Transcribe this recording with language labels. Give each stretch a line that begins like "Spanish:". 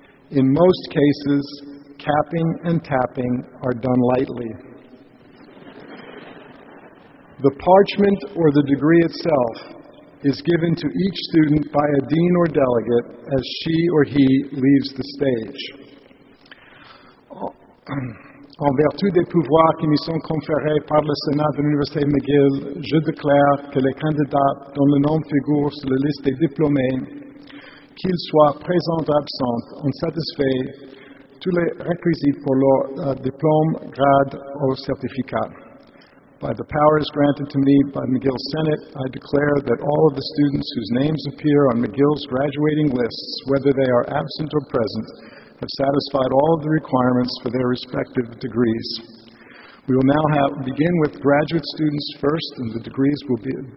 English: In most cases, capping and tapping are done lightly. The parchment or the degree itself is given to each student by a dean or delegate as she or he leaves the stage.
French: En vertu des pouvoirs qui me sont conférés par le Sénat de l'Université McGill, je déclare que les candidats dont le nom figure sur la liste des diplômés, qu'ils soient présents ou absents, ont satisfait tous les requisites pour leur diplôme, grade ou certificat.
English: By the powers granted to me by McGill Senate, I declare that all of the students whose names appear on McGill's graduating lists, whether they are absent or present, have satisfied all of the requirements for their respective degrees. We will now begin with graduate students first, and the degrees will be...